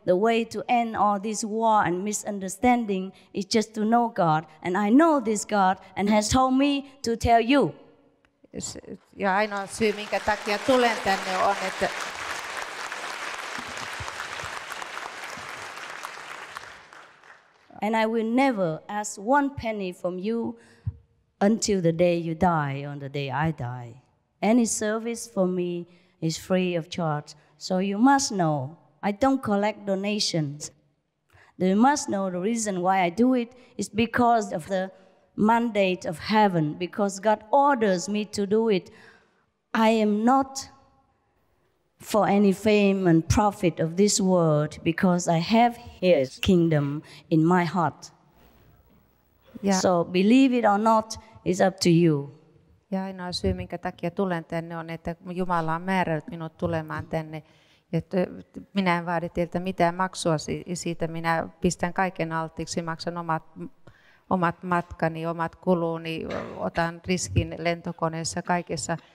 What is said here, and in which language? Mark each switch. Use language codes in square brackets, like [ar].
[en] The way to end all this war and misunderstanding is just to know God. And I know this God and has told me to tell you. [fi] Ja ainoa syy, minkä takia tulen tänne, on, että [en] and I will never ask one penny from you until the day you die, on the day I die. Any service for me is free of charge. So you must know, I don't collect donations. You must know the reason why I do it is because of the mandate of heaven, because God orders me to do it. I am not for any fame and profit of this world, because I have His kingdom in my heart. Yeah. So believe it or not, it's up to you. [fi] Ja ainoa syy, minkä takia tulen tänne, on, että Jumala on määrännyt minut tulemaan tänne. Että minä en vaadi teiltä mitään maksua siitä. Minä pistän kaiken alttiiksi, maksan omat matkani, omat kuluni, otan riskin lentokoneessa kaikessa.